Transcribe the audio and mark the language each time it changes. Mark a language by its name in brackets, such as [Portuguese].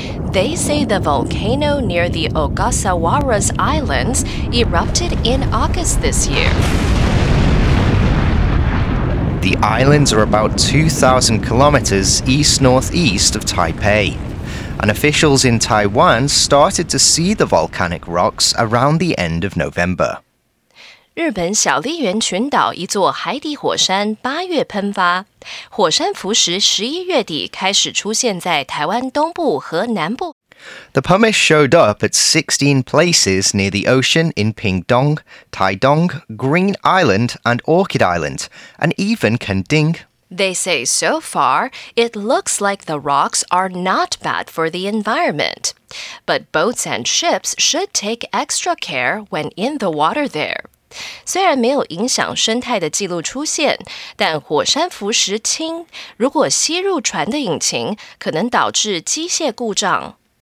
[English] They say the volcano near the Ogasawara's Islands erupted in August this year. The islands are about 2,000 kilometers east-northeast of Taipei. And officials in Taiwan started to see the volcanic rocks around the end of November. [Chinese] 日本小笠原群岛一座海底火山八月喷发，火山浮石十一月底开始出现在台湾东部和南部。 [English] The pumice showed up at 16 places near the ocean in Pingdong, Taidong, Green Island, and Orchid Island, and even Kanding. They say so far, it looks like the rocks are not bad for the environment, but boats and ships should take extra care when in the water there. [Chinese] 虽然没有影响生态的记录出现，但火山浮石氢如果吸入船的引擎，可能导致机械故障。